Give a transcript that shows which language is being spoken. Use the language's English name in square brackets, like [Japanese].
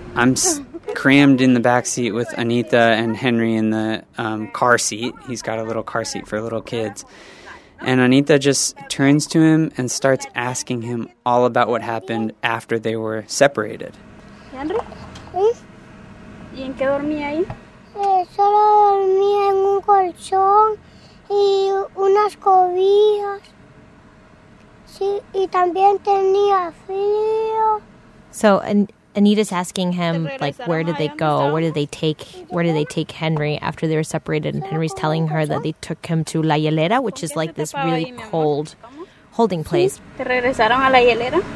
[English] I'm crammed in the back seat with Anita and Henry in the car seat. He's got a little car seat for little kids. And Anita just turns to him and starts asking him all about what happened after they were separated. [Spanish] Henry? ¿Y en qué dormí ahí? Solo dormí en un colchón y unas cobijas. Sí, y también tenía frío. [English] So Anita's asking him, like, where did they go? Where did they take Henry after they were separated? And Henry's telling her that they took him to La Hielera, which is like this really cold holding place. [Spanish] ¿Te regresaron a La Hielera?